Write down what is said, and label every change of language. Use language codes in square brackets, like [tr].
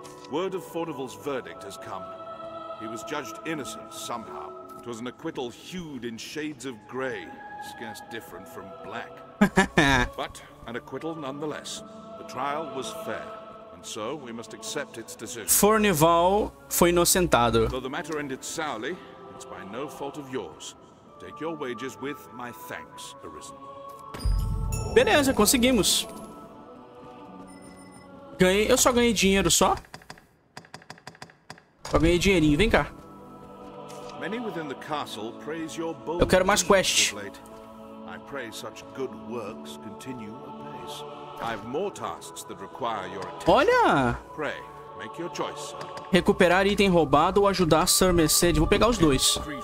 [en] Word of Fornival's verdict has come. He was judged innocent somehow. It was an acquittal hued in shades of gray, scarce different from black. But an acquittal nonetheless. The trial was fair. So we must accept its decision. [pt] Fornival foi inocentado. [en] Though the matter ended sourly, it's by no fault of yours. Take your wages with my thanks, Arisen. [pt] Beleza, conseguimos. Ganhei, eu só ganhei dinheiro só. Só ganhei dinheirinho, vem cá. [en] Many within the castle praise your bold. [pt] Eu quero mais quest. [en] I pray such good works continue. I have more tasks that require your attention. [pt] Olha! [en] Pray, make your choice. [pt] Recuperar item roubado ou ajudar Sir Mercedes. Vou pegar os dois.